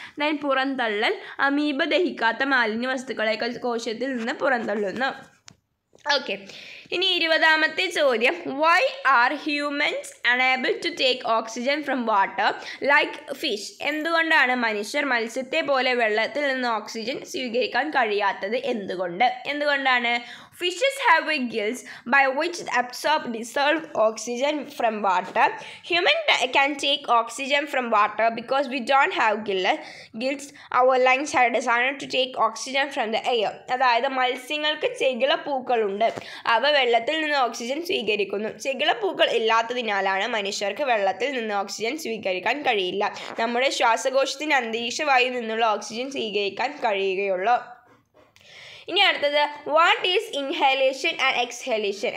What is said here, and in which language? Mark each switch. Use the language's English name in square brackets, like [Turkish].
[Malayalam] Then പുറന്തള്ളൽ, amoeba ദഹിക്കാത്ത മാലിന്യ വസ്തുക്കളെ കോശത്തിൽ നിന്ന് പുറന്തള്ളുന്നു. ഓക്കെ, ഇനി 20-ാമത്തെ ചോദ്യം, [English] Why are humans unable to take oxygen from water like fish? [Malayalam] എന്തുകൊണ്ടാണ് മനുഷ്യർ മത്സ്യത്തെ പോലെ വെള്ളത്തിൽ നിന്ന് ഓക്സിജൻ സ്വീകരിക്കാൻ കഴിയാത്തത്? എന്തുകൊണ്ടാണ്? [English] Fishes have gills by which they absorb dissolved oxygen from water. Humans can take oxygen from water because we don't have gills. Our lungs are designed to take oxygen from the air. [Malayalam] അതായത് മത്സ്യങ്ങൾക്ക് ചെകിള പൂക്കളുണ്ട്, അവ വെള്ളത്തിൽ നിന്ന് oxygen സ്വീകരിക്കുന്നു. ചെകിള പൂക്കൾ ഇല്ലാത്തതിനാലാണ് മനുഷ്യർക്ക് വെള്ളത്തിൽ നിന്ന് ഓക്സിജൻ സ്വീകരിക്കാൻ കഴിയില്ല. നമ്മുടെ ശ്വാസകോശത്തിന് അന്തരീക്ഷ വായുവിൽ നിന്നുള്ള ഓക്സിജൻ സ്വീകരിക്കാൻ കഴിയുകയുള്ളൂ. ഇനി അടുത്തത്, [English] What is inhalation and exhalation?